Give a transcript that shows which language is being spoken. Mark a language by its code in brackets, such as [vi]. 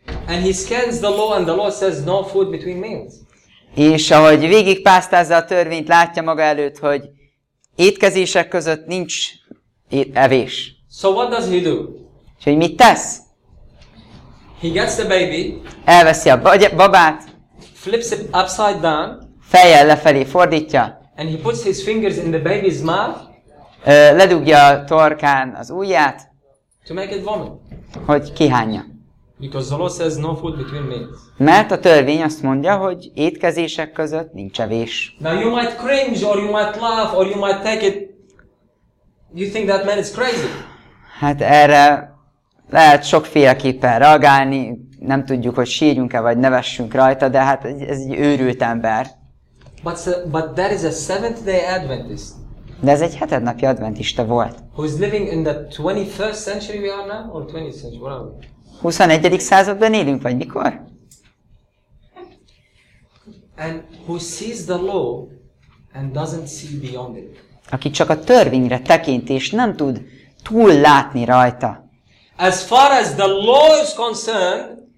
[en] and he scans the law, and the law says no food between meals. [hu] És ahogy végigpásztázza a törvényt, látja maga előtt, hogy étkezések között nincs evés. [en] So what does he do? [hu] És hogy mit tesz? [en] He gets the baby. [hu] Elveszi a babát. [en] Flips it upside down. [hu] Fejjel lefelé fordítja. [en] And he puts his fingers in the baby's mouth. [hu] Ledugja a torkán az ujját. [en] To make it vomit. [hu] Hogy kihányja. [en] Because the law says no food between meals. [hu] Mert a törvény azt mondja, hogy étkezések között nincs evés. [en] Now you might cringe, or you might laugh, or you might take it. You think that man is crazy? [hu] Hát erre lehet sokféleképpen reagálni, nem tudjuk, hogy sírjunk-e vagy nevessünk rajta, de hát ez egy őrült ember. [en] But that is a Seventh-day Adventist. [hu] De ez egy hetednapi adventista volt. [en] Who is living in the 21st century we are now, or 20th century, what are we? [hu] 21. században élünk, vagy mikor? [en] And who sees the law and doesn't see beyond it. [hu] Aki csak a törvényre tekint és nem tud túllátni rajta. [en] As far as the law is concerned,